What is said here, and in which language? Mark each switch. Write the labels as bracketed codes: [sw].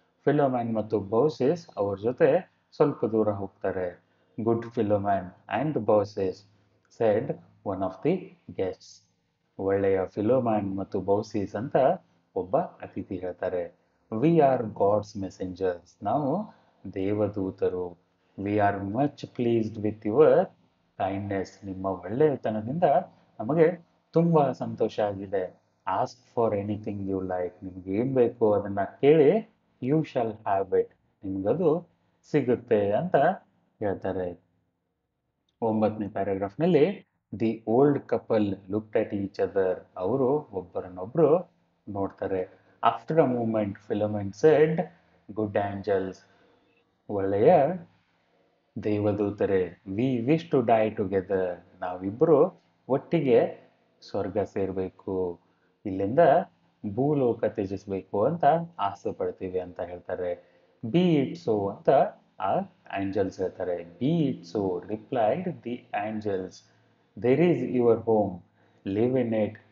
[kn] ಫಿಲೋಮೆನ್ ಮತ್ತು ಬೌಸಿಸ್ ಅವ್ರ ಜೊತೆ ಸ್ವಲ್ಪ ದೂರ ಹೋಗ್ತಾರೆ. [en] good Philemon and Baucis said one of the guests, [kn] ಒಳ್ಳೆಯ ಫಿಲೋಮೆನ್ ಮತ್ತು ಬೌಸಿಸ್ ಅಂತ ಒಬ್ಬ ಅತಿಥಿ ಹೇಳ್ತಾರೆ. [en] We are God's messengers. [kn] ನಾವು ದೇವದೂತರು. [en] We are much pleased with your kindness. [kn] ನಿಮ್ಮ ಒಳ್ಳೆಯತನದಿಂದ ನಮಗೆ ತುಂಬ ಸಂತೋಷ ಆಗಿದೆ. [en] Ask for anything you like. [kn] ನಿಮ್ಗೆ ಏನು ಬೇಕೋ ಅದನ್ನು ಕೇಳಿ, [en] you shall have it. [kn] ನಿಮಗದು ಸಿಗುತ್ತೆ ಅಂತ ಹೇಳ್ತಾರೆ. ಒಂಬತ್ತನೇ ಪ್ಯಾರಾಗ್ರಾಫ್ನಲ್ಲಿ [en] the old couple looked at each other, [kn] ಅವರು ಒಬ್ಬರನ್ನೊಬ್ಬರು ನೋಡ್ತಾರೆ. [en] After a moment, Philomen said, good angels, [kn] ಒಳ್ಳೆಯ ದೇವದೂತರೆ, [en] we wish to die together. [kn] ನಾವಿಬ್ಬರು ಒಟ್ಟಿಗೆ ಸ್ವರ್ಗ ಸೇರಬೇಕು, ಇಲ್ಲಿಂದ ಭೂಲೋಕ ತ್ಯಜಿಸಬೇಕು ಅಂತ ಆಸೆ ಪಡ್ತೀವಿ ಅಂತ ಹೇಳ್ತಾರೆ. [en] be it so [kn] ಅಂತ ಆ ಆ್ಯಂಜಲ್ಸ್ ಹೇಳ್ತಾರೆ. [en] be it so replied the angels, there is your home, live in it,